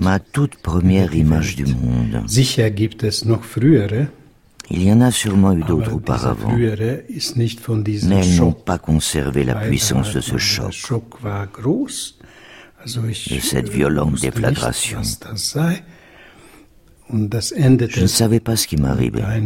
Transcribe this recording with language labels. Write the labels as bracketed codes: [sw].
[fr] Ma toute première image du monde. [de] Sicher gibt es noch frühere. [fr] Il y en a sûrement eu d'autres auparavant, mais elles n'ont pas conservé la puissance de ce choc et cette violente déflagration. Je ne savais pas ce qui m'arrivait.